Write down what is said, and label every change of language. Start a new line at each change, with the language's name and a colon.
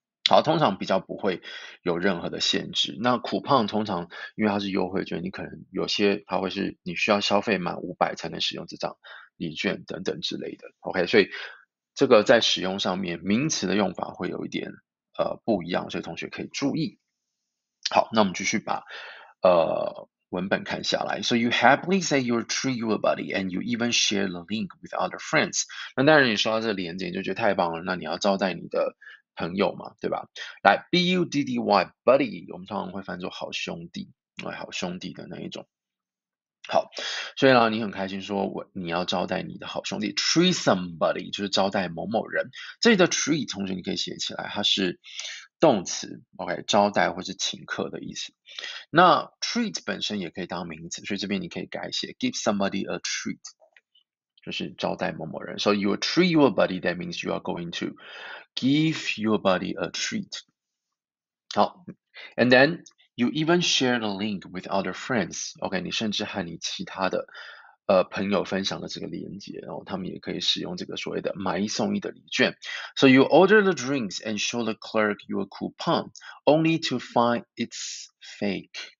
Chinese: 好，通常比较不会有任何的限制。那 coupon 通常因为它是优惠券，你可能有些它会是你需要消费满500才能使用这张礼券等等之类的。 OK，所以这个在使用上面名词的用法会有一点不一样，所以同学可以注意。好，那我们继续把文本看下来。
English: So you happily say you're true your buddy and you even share the link with other friends。
Chinese: 那当然你刷到这个链接就觉得太棒了，那你要招待你的朋友嘛，对吧？来，buddy，buddy，我们通常会翻作好兄弟，哎，好兄弟的那一种。好，所以呢，你很开心说你要招待你的好兄弟，treat somebody 就是招待某某人。这里的 treat 同学你可以写起来，它是动词，OK，招待或是请客的意思。那 treat 本身也可以当名词，所以这边你可以改写
English: give somebody a treat。
Chinese: 就是招待某某人，
English: So you treat your buddy, that means you are going to give your buddy a treat. 好，and then you even share the link with other friends.
Chinese: OK，你甚至和你其他的朋友分享了这个链接，然后他们也可以使用这个所谓的买一送一的礼券。
English: So you order the drinks and show the clerk your coupon, only to find it's fake.